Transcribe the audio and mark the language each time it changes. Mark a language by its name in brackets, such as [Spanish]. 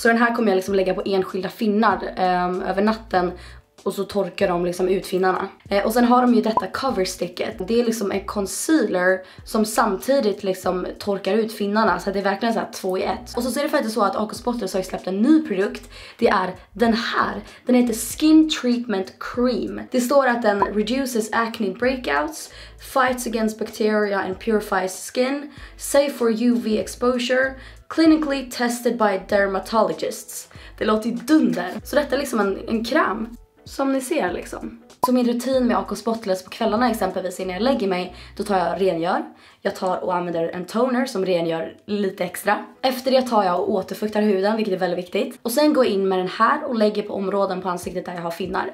[Swedish] Så den här kommer jag liksom lägga på enskilda finnar över natten. Och så torkar de liksom ut finnarna. Och sen har de ju detta coversticket. Det är liksom en concealer som samtidigt liksom torkar ut finnarna. Så det är verkligen så här två i ett. Och så ser det faktiskt så att Aqua Spotless har släppt en ny produkt. Det är den här. Den heter Skin Treatment Cream. Det står att den [English] reduces acne breakouts, fights against bacteria and purifies skin, safe for UV exposure, clinically tested by dermatologists. [Swedish] Det låter ju dunder. Så detta är liksom en kräm. Som ni ser liksom. Så min rutin med Aqua Spotless på kvällarna exempelvis innan jag lägger mig, då tar jag rengör. Jag tar och använder en toner som rengör lite extra. Efter det tar jag och återfuktar huden, vilket är väldigt viktigt. Och sen går jag in med den här och lägger på områden på ansiktet där jag har finnar.